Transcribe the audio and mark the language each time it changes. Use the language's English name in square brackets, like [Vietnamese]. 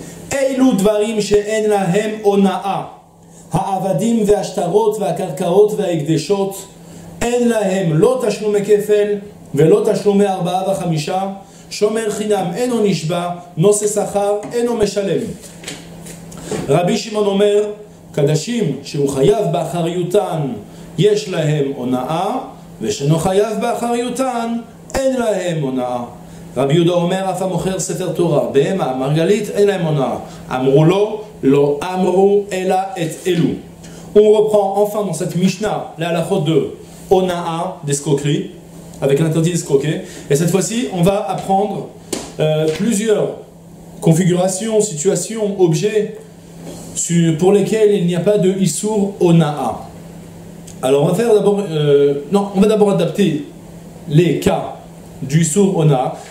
[Hebrew] Eilu Dvarim She'en Lahem Ona'a Ha'avadim Ve'ashtarot Ve'akarkaot Ve'ekdeshot En Lahem Lo Tashlum Kefel ולא תשלומי ארבעה וחמישה, שומר חינם אינו נשבע, נושא שכר אינו משלם. רבי שמעון אומר, קדשים שהוא חייב באחריותן יש להם הונאה, ושאינו חייב באחריותן אין להם הונאה. רבי יהודה אומר, אף המוכר ספר תורה, בהמה, מרגלית, אין להם הונאה. אמרו לו, לא אמרו אלא את אלו. הוא רפרן אופן נושאת משנה להלכות דו, הונאה, דסקוקרי, [French] avec l'interdit d'escroquer. Et cette fois-ci, on va apprendre plusieurs configurations, situations, objets pour lesquels il n'y a pas de issur ona'a. Alors, on va d'abord adapter les cas du issur ona'a.